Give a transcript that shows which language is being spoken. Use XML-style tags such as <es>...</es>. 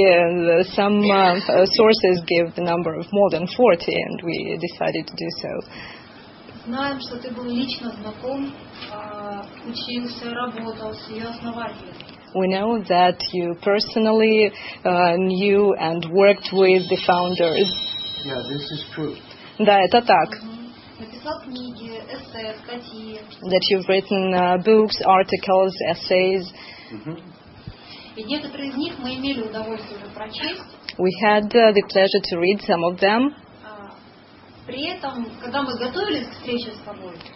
<en>And some sources give the number of more than 40, and we decided to do so.</en> <ru>Знаем, что ты был лично знаком, учился, работал с ее основателем.</ru> <en>We know that you personally knew and worked with the founders. Yeah, this is true.</en> <ru>Да, это так. Написал книги, эссе, статьи.</ru> <en>That you've written books, articles, essays.</en> <ru>И некоторые из них мы имели удовольствие уже прочесть.</ru> <en>We had the pleasure to read some of them.</en> <ru>При этом, когда мы готовились к встрече с тобой,</ru>